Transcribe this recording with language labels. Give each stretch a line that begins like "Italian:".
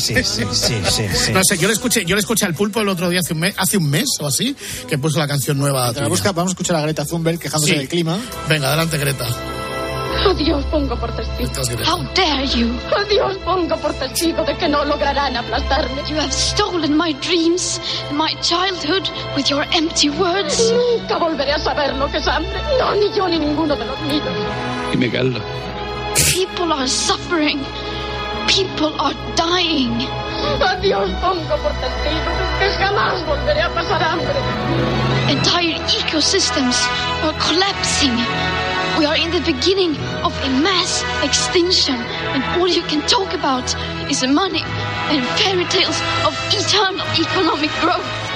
Spanish: Sí. No sé, yo le escuché al Pulpo el otro día, hace un mes o así, que puso la canción nueva. Vamos a escuchar a Greta Thunberg quejándose del clima. Venga, adelante, Greta. Adiós, pongo por testigo.
English: How dare you?
Spanish: Adiós, pongo por testigo de que no lograrán aplastarme.
English: You have stolen my dreams, my childhood, with your empty words.
Spanish: Nunca volveré a saber lo que es hambre. No, ni yo, ni ninguno de los míos. Y Miguel.
English: People are suffering. People are dying.
Spanish: Adiós, pongo por testigo que jamás volveré a pasar hambre.
English: Entire ecosystems are collapsing. We are in the beginning of a mass extinction, and all you can talk about is money and fairy tales of eternal economic growth.